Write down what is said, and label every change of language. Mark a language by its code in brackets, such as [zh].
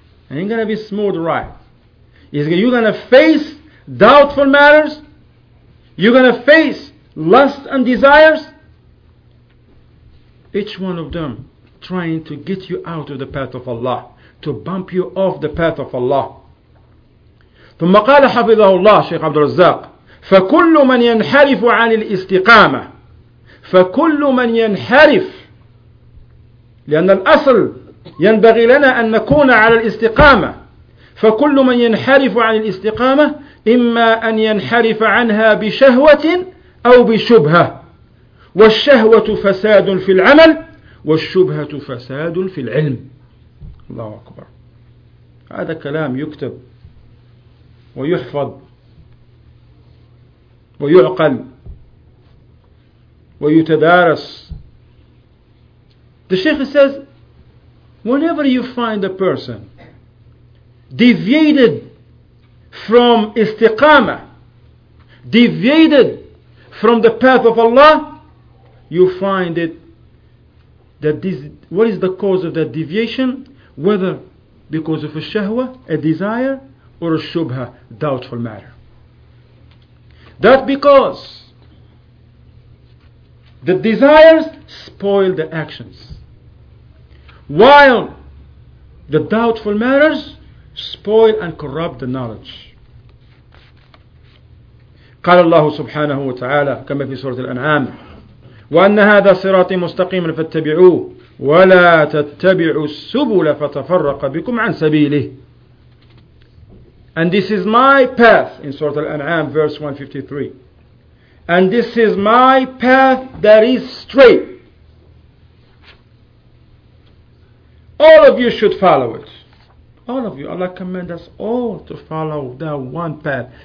[en] It ain't going to be smooth ride. You're going to face doubtful matters. You're going to face lust and desires. Each one of them trying to get you out of the path of Allah, to bump you off the path of Allah. [ar] ثم قال حفظه الله شيخ عبد الرزاق فكل من ينحرف عن الاستقامة فكل من ينحرف لأن الأصل ينبغي لنا أن نكون على الاستقامة فكل من ينحرف عن الاستقامة إما أن ينحرف عنها بشهوة أو بشبهة والشهوة فساد في العمل والشبهة فساد في العلم. الله أكبر. هذا كلام يكتب ويحفظ ويعقل ويتدارس. [en] The Sheikh says, whenever you find a person deviated from istiqama, deviated from the path of Allah, you find it that this, what is the cause of that deviation? Whether because of a shahwa, a desire, or a shubha, doubtful matter. That because the desires spoil the actions, while the doubtful matters spoil and corrupt the knowledge. [ar] قال الله سبحانه وتعالى كما في سورة الأنعام وأن هذا صراطي مستقيما فاتبعوه ولا تتبعوا السبل فتفرق بكم عن سبيله. [en] And this is my path in سورة الأنعام verse 153. And this is my path that is straight. All of you should follow it. All of you. Allah commands us all to follow that one path.